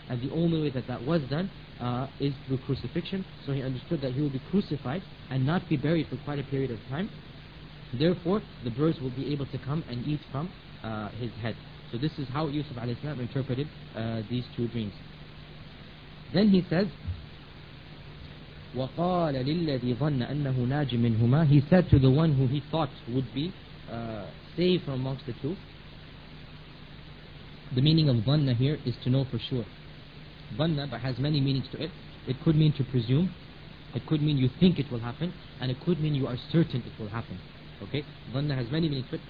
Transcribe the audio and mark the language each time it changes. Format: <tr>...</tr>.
<en>And the only way that was done is through crucifixion. So he understood that he will be crucified and not be buried for quite a period of time. Therefore, the birds will be able to come and eat from his head. So this is how Yusuf alayhi salam interpreted these two dreams. Then he says,</en> <ar>وَقَالَ لِلَّذِي ظَنَّ أَنَّهُ نَاجٍ مِّنْهُمَا.</ar> <en>He said to the one who he thought would be saved from amongst the two. The meaning of ظَنَّ here is to know for sure. ظَنَّ but has many meanings to it. It could mean to presume. It could mean you think it will happen. And it could mean you are certain it will happen. Okay, ظَنَّ has many meanings.</en>